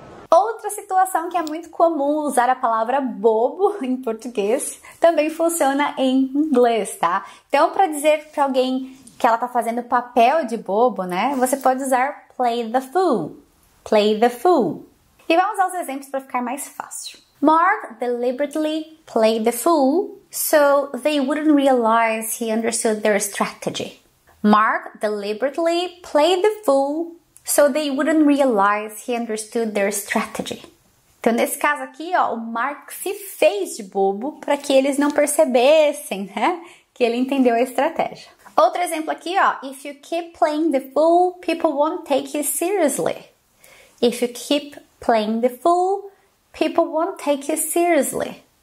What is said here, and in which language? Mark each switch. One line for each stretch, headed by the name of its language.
Portuguese: Outra situação que é muito comum usar a palavra bobo em português também funciona em inglês, tá? Então, para dizer para alguém que ela tá fazendo papel de bobo, né? Você pode usar
English: play the fool. Play the fool.
Portuguese: E vamos aos exemplos para ficar mais fácil.
English: Mark deliberately played the fool so they wouldn't realize he understood their strategy. Mark deliberately played the fool so they wouldn't realize he understood their strategy.
Portuguese: Então, nesse caso aqui, ó, o Mark se fez de bobo para que eles não percebessem, né? Que ele entendeu a estratégia. Outro exemplo aqui, ó.
English: If you keep playing the fool, people won't take you seriously. If you keep playing the fool, people won't take you seriously.